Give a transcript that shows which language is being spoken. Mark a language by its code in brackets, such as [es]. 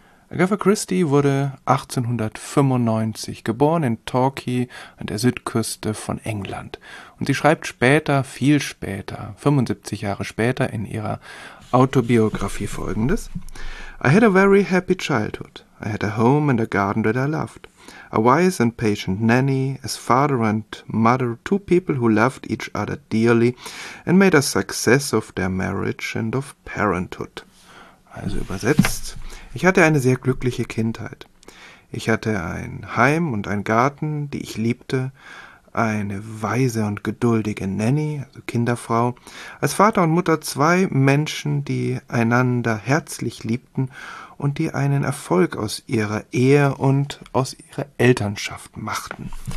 [de] Agatha Christie wurde 1895 geboren in Torquay an der Südküste von England. Und sie schreibt später, viel später, 75 Jahre später in ihrer Autobiografie folgendes: [en] I had a very happy childhood. I had a home and a garden that I loved. A wise and patient nanny, as father and mother, two people who loved each other dearly and made a success of their marriage and of parenthood. [de] Also übersetzt: Ich hatte eine sehr glückliche Kindheit. Ich hatte ein Heim und einen Garten, die ich liebte, eine weise und geduldige Nanny, also Kinderfrau, als Vater und Mutter zwei Menschen, die einander herzlich liebten und die einen Erfolg aus ihrer Ehe und aus ihrer Elternschaft machten.